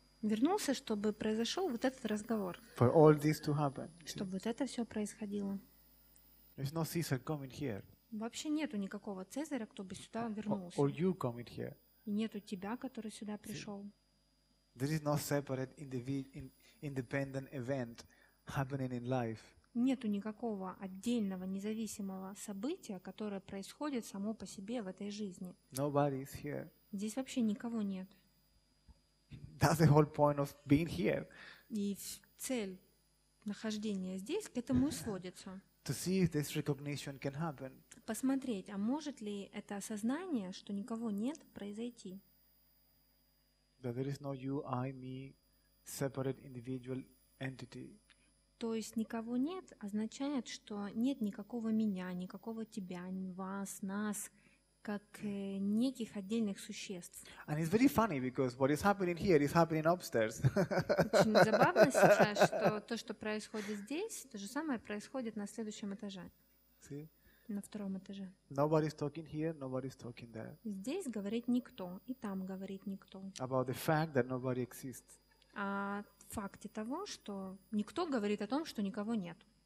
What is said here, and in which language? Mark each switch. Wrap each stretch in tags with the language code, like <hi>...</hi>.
<ru>Вернулся, чтобы произошел вот этот разговор.</ru> <en>For all this to happen.</en> <ru>Чтобы вот это все происходило.</ru> <en>There's no Caesar coming here.</en> <ru>Вообще нету никакого Цезаря, кто бы сюда вернулся. И нету тебя, который сюда пришел.</ru> <en>There is no separate independent event happening in life.</en> <ru>Нету никакого отдельного независимого события, которое происходит само по себе в этой жизни.</ru> <en>Nobody is here.</en> <ru>Здесь вообще никого нет.</ru> <en>That's the whole point of being here.</en> <ru>И цель нахождения здесь к этому и сводится.</ru> <en>To see if this recognition can happen.</en> <ru>Посмотреть, а может ли это осознание, что никого нет, произойти?</ru> <en>That there is no you, I, me, separate individual entity.</en> <ru>То есть никого нет означает, что нет никакого меня, никакого тебя, вас, нас, как неких отдельных существ.</ru> <en>And it's very funny because what is happening here is happening upstairs.</en> <ru>Очень забавно сейчас, что то, что происходит здесь, то же самое происходит на следующем этаже.</ru> <en>See?</en> <ru>На втором этаже.</ru> <en>Nobody's talking here, nobody's talking there.</en> <ru>Здесь говорит никто, и там говорит никто.</ru> <en>About the fact that nobody exists.</en> <ru>О факте того, что никто говорит о том, что никого нет.</ru>